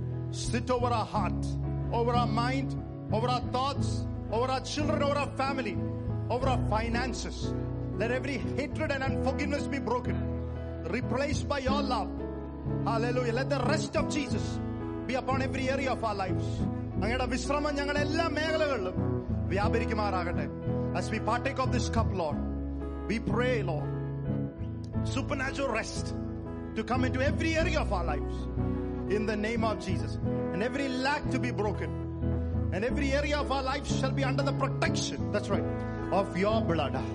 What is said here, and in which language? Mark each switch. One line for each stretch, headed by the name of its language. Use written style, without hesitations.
English: Sit over our heart, over our mind, over our thoughts, over our children, over our family, over our finances. Let every hatred and unforgiveness be broken, replaced by your love. Hallelujah. Let the rest of Jesus be upon every area of our lives.
Malayalam: അങ്ങയുടെ വിശ്രമം ഞങ്ങളുടെ എല്ലാ മേഖലകളിലും വ്യാപരിക്കുമാറാകട്ടെ.
English: As we partake of this cup, Lord, we pray, Lord, supernatural rest to come into every area of our lives in the name of Jesus. And every lack to be broken. And every area of our lives shall be under the protection, that's right, of your blood.